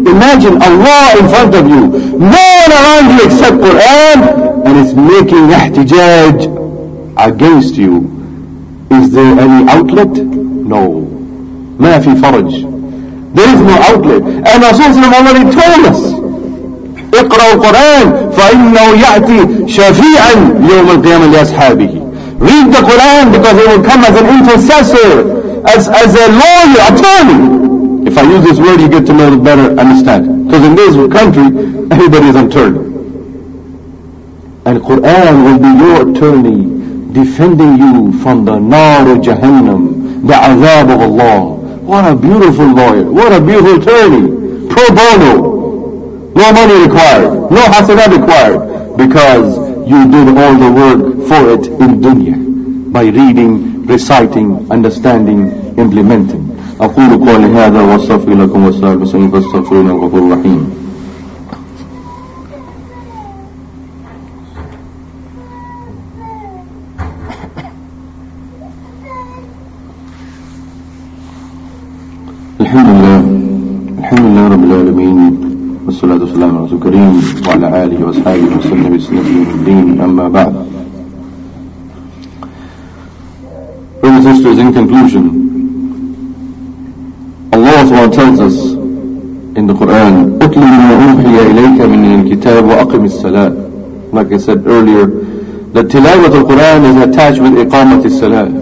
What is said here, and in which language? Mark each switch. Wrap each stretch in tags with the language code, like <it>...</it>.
<en>Imagine Allah in front of you. No one around you except Qur'an. And it's making ihtijaj against you. Is there any outlet? No.</en> <ar>ما في فرج.</ar> <en>There is no outlet. And Rasulullah already told us.</en> <ar>اقرأ القرآن فإنه يأتي شفيعا يوم القيامة لأصحابه.</ar> <en>Read the Qur'an because it will come as an intercessor. As a lawyer, attorney. If I use this word, you get to know better, understand. Because in this country, everybody is attorney. And Qur'an will be your attorney, defending you from the nar of Jahannam, the azab of Allah. What a beautiful lawyer. What a beautiful attorney. Pro bono. No money required. No hasanah required. Because you did all the work for it in dunya. By reading, reciting, understanding, implementing.</en> <ar>أقول قولي هذا وأستغفر لكم وأستغفر المسلمين فاستغفرون إنه غفور رحيم. الحمد لله. لله رب العالمين والصلاة والسلام على رسول كريم وعلى آله وأصحابه وسلم بسنه الدين أما بعد.</ar> <en>Brothers and sisters, in conclusion, Allah tells us in the Quran,</en> <ar>أتل ما أوحي إليك من الكتاب وأقم الصلاة.</ar> <en>Like I said earlier, the tilawat al-Quran is attached with iqamat al-salah.</en>